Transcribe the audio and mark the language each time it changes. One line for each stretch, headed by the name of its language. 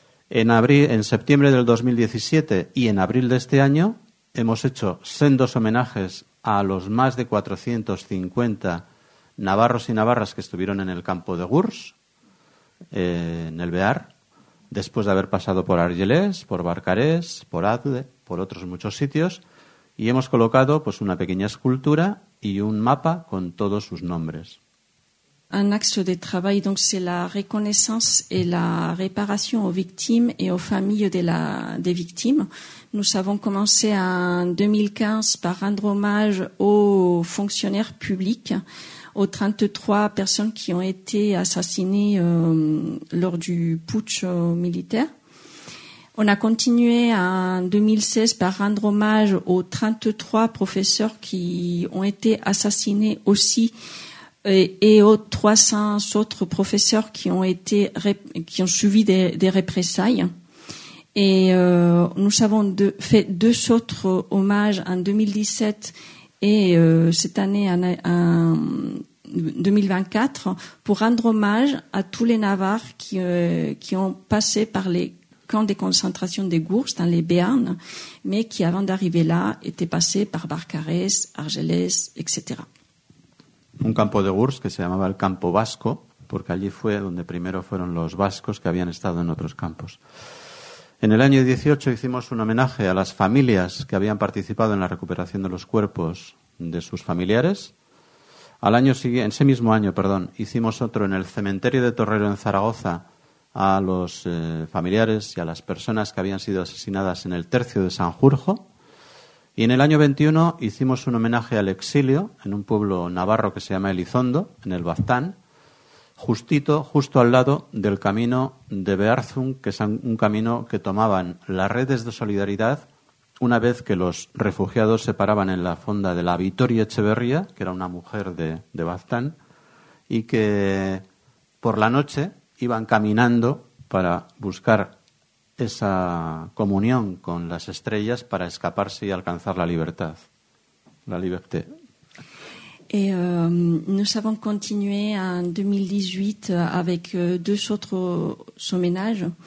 Spanish: En septiembre del 2017 y en abril de este año hemos hecho sendos homenajes a los más de 450 navarros y navarras que estuvieron en el campo de Gurs, en el Bear, después de haber pasado por Argelés, por Barcarés, por Adde, por otros muchos sitios, y hemos colocado pues una pequeña escultura y un mapa con todos sus nombres.
French: Un axe de travail donc c'est la reconnaissance et la réparation aux victimes et aux familles des victimes. Nous avons commencé en 2015 par rendre hommage aux fonctionnaires publics, aux 33 personnes qui ont été assassinées lors du putsch militaire. On a continué en 2016 par rendre hommage aux 33 professeurs qui ont été assassinés aussi et aux 300 autres professeurs qui ont subi des représailles. Et nous avons fait deux autres hommages en 2017 et cette année en 2024 pour rendre hommage à tous les Navarres qui ont passé par les camps de concentration des Gourcs dans les Béarn, mais qui, avant d'arriver là, étaient passés par Barcarès, Argelès, etc.
Spanish: Un campo de Gurs que se llamaba el Campo Vasco, porque allí fue donde primero fueron los vascos que habían estado en otros campos. En el año 18 hicimos un homenaje a las familias que habían participado en la recuperación de los cuerpos de sus familiares. En ese mismo año, hicimos otro en el cementerio de Torrero, en Zaragoza, a los familiares y a las personas que habían sido asesinadas en el Tercio de Sanjurjo. Y en el año 21 hicimos un homenaje al exilio en un pueblo navarro que se llama Elizondo, en el Baztán, justo al lado del camino de Bearzun, que es un camino que tomaban las redes de solidaridad una vez que los refugiados se paraban en la fonda de la Vitoria Echeverría, que era una mujer de Baztán, y que por la noche iban caminando para buscar esa comunión con las estrellas para escaparse y alcanzar la libertad,
French: la liberté. Nous avons continué en 2018 avec deux autres hommages.